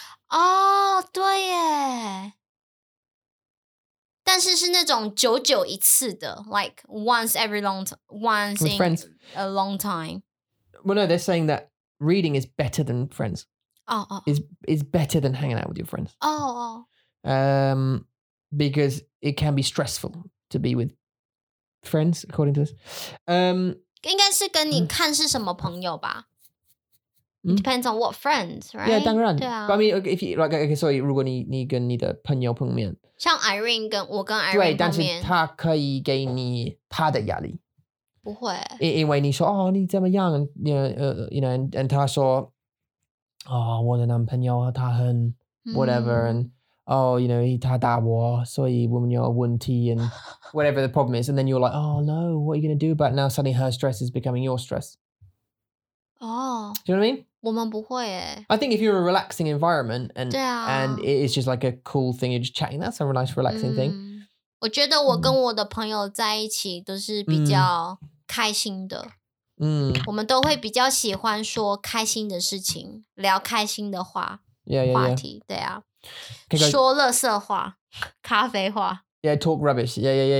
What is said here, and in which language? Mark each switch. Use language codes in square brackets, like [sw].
[zh] Oh, 对耶。但是是那种久久一次的 ， like once every long once [en] with friends a long time. Well, no, they're saying that reading is better than friends. Oh. Is better than hanging out with your friends. Oh. Because it can be stressful to be with friends, according to this. [zh] 应该是跟你看是什么朋友吧。 [en] It depends on what friends, right? [zh] Yeah, 当然。对啊。 [en] But I mean, if you, like, okay, sorry, 如果你跟你的朋友碰面。 [zh] 像 Irene 跟我跟 Irene 碰面。对，但是他可以给你他的压力。不会。因为你说哦，你怎么样？ You know, and 他说哦，我的男朋友他很 whatever, and oh, you know, 他打我，所以我们有问题 and whatever the problem is. [en] And then you're like, oh no, what are you going to do? But now suddenly her stress is becoming your stress. Oh, do you know what I mean? [zh] 我们不会耶。 [en] I think if you're in a relaxing environment and,、啊、 and it's just like a cool thing, you're just chatting, that's a nice relaxing thing. [zh] 我觉得我跟我的朋友在一起都是比较开心的。我们都会比较喜欢说开心的事情，聊开心的话。 [en] Yeah, yeah, yeah. [zh] 话题，对啊。说垃圾话，咖啡话。 [en] Yeah, talk rubbish. Yeah, yeah, yeah.